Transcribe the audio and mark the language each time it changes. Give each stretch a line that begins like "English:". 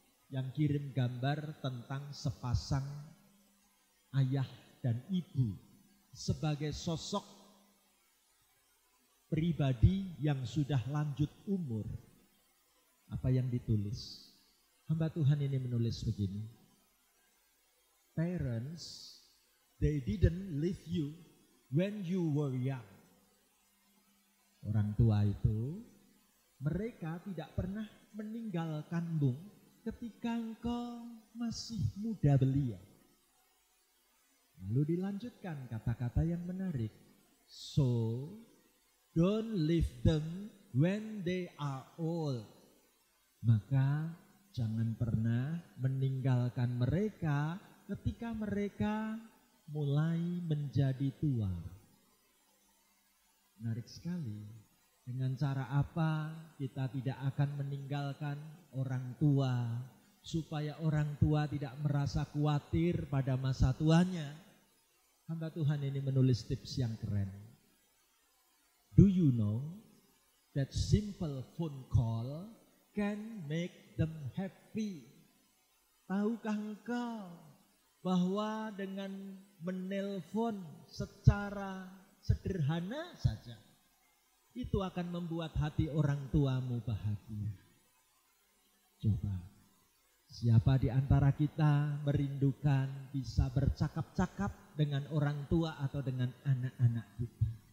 Indonesian: yang kirim gambar tentang sepasang ayah dan ibu sebagai sosok pribadi yang sudah lanjut umur. Apa yang ditulis? Hamba Tuhan ini menulis begini.
English: Parents, they didn't leave you when you were young.
Indonesian: Orang tua itu, mereka tidak pernah meninggalkanmu ketika engkau masih muda belia. Lalu dilanjutkan kata-kata yang menarik.
English: So, don't leave them when they are old.
Indonesian: Maka jangan pernah meninggalkan mereka ketika mereka mulai menjadi tua. Menarik sekali. Dengan cara apa kita tidak akan meninggalkan orang tua supaya orang tua tidak merasa khawatir pada masa tuanya? Hamba Tuhan ini menulis tips yang keren.
English: Do you know that simple phone call can make them happy?
Indonesian: Tahukah engkau bahwa dengan menelpon secara sederhana saja, itu akan membuat hati orang tuamu bahagia? Coba, siapa di antara kita merindukan bisa bercakap-cakap dengan orang tua atau dengan anak-anak kita?